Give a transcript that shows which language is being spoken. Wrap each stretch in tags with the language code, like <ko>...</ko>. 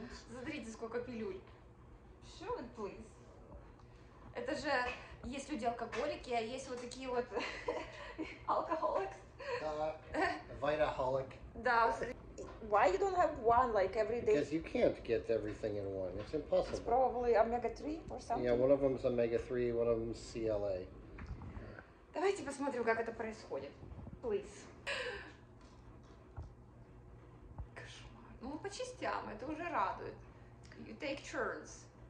<ru>Смотрите, сколько пилюль.</ru> <en>Sugar, please.</en> <ru>Это же есть люди-алкоголики, а есть вот такие вот алкоголики.</ru> <en>Vitaholic.</en> <ru>Да.</ru> <en>Why you don't have one like every day? Because you can't get everything in one. It's impossible. It's probably omega-3 or something. Yeah, one of them is omega-3, one of them is CLA.</en> <ru>Давайте посмотрим, как это происходит.</ru> <en>Please.</en> <ru>Кошмар. Ну, по частям, это уже радует.</ru> <en>You take turns.</en>